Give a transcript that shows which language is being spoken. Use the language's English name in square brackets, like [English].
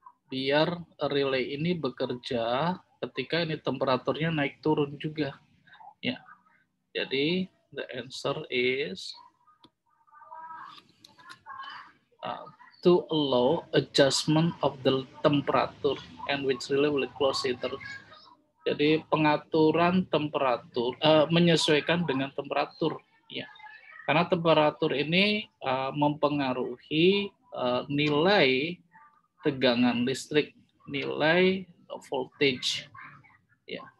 [Indonesian] Biar relay ini bekerja ketika ini temperaturnya naik turun juga. Ya. Jadi [English] the answer is to allow adjustment of the temperature and which relay will close it. [Indonesian] Jadi pengaturan temperatur menyesuaikan dengan temperatur ya. Karena temperatur ini mempengaruhi nilai tegangan listrik, nilai voltage ya.